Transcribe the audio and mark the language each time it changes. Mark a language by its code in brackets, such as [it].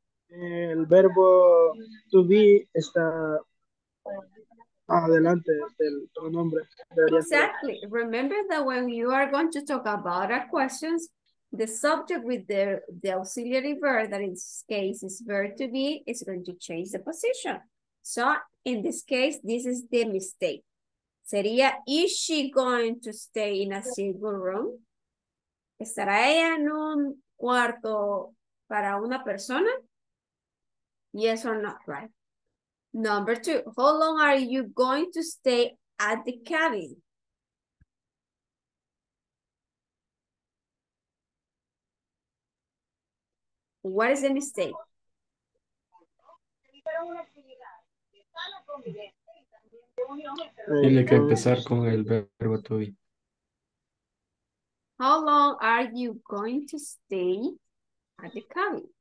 [es] El verbo to be está adelante del pronombre. [en] Exactly. Remember that when you are going to talk about our questions, the subject with the auxiliary verb, that in this case is verb to be, is going to change the position. So in this case, this is the mistake. [es] Sería, [en] is she going to stay in a single room? [es] ¿Estará ella en un cuarto para una persona? [en] Yes or not, right? Number 2, how long are you going to stay at the cabin? What is the mistake? [es] Tiene que empezar con el verbo to be. [en] How long are you going to stay at the cabin?